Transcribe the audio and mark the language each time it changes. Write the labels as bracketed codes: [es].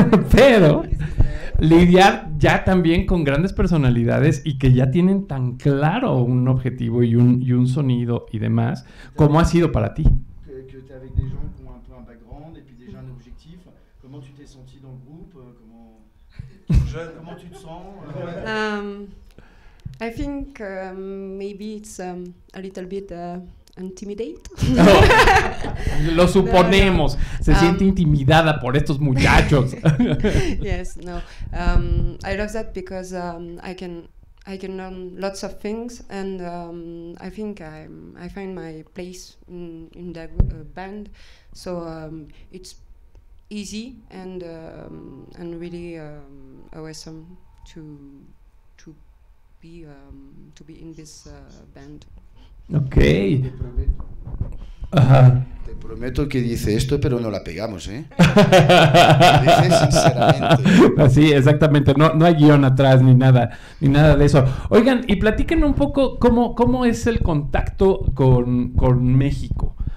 [es] Pero lidiar ya también con grandes personalidades y que ya tienen tan claro un objetivo y un sonido y demás, ¿cómo ha sido para ti? [fr] Que t'es avec des gens qui ont un peu un background et puis déjà un objectif. Comment tu t'es senti dans le groupe? Comment tu te sens? [en] I think maybe it's a little bit intimidate. [es] Lo suponemos. Se siente intimidada por estos muchachos. [en] Yes, no. I love that because I can learn lots of things and I think I find my place in the band. So it's easy and really awesome to be in this band. Okay. [es] Te prometo que dice esto, pero no la pegamos, ¿eh? Dice sinceramente. Así, exactamente. No hay guión atrás ni nada de eso. Oigan, y platiquen un poco cómo es el contacto con México.